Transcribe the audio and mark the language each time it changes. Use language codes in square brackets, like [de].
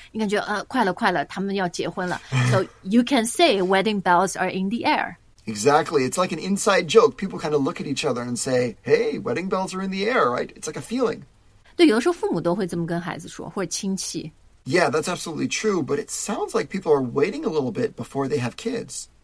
[zh] 你感觉快了快了，他们要结婚了。 [en] So you can say wedding bells are in the air. Exactly, it's like an inside joke. People kind of look at each other and say, "Hey, wedding bells are in the air," right? It's like a feeling. [zh] 对，有的时候父母都会这么跟孩子说，或者亲戚。 [en] Yeah, that's absolutely true, but it sounds like people are waiting a little bit before they have kids.